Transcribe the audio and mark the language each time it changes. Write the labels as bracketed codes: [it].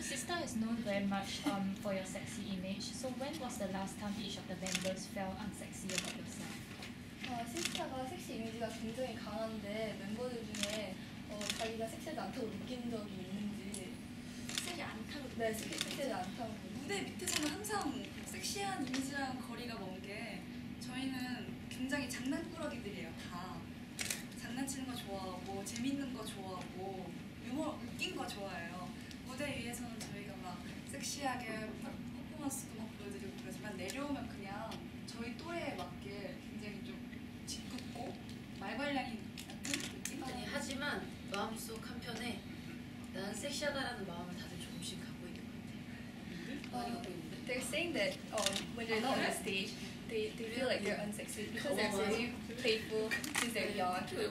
[en] Sistar is known very much for your sexy image. So when was the last time each of the members felt unsexy about yourself? [ko] 시스타가 섹시 이미지가 굉장히 강한데 멤버들 중에 자기가 섹시하지 않다고 느낀 적이 있는지 섹시 않다고 네, 섹시하지 않다고 무대 밑에서는 항상 섹시한 이미지랑 거리가 먼 게 저희는 굉장히 장난꾸러기들이에요, 다 장난치는 거 좋아하고, 재밌는 거 좋아하고 유머, 웃긴 거 좋아해요 무대 위에서는 저희가 막 섹시하게 막 퍼포먼스도 막 보여드리고 그러지만 내려오면 그냥 저희 또래에 맞게 굉장히 좀 짓궂고 말괄량인 아니 하지만 마음속 한편에 난 섹시하다라는 마음을 다들 조금씩 갖고 있는 것 같아요. 많이 갖고 있는데. [en] They're saying that when they're not on stage, they feel like they're unsexy because they're very playful since they're young.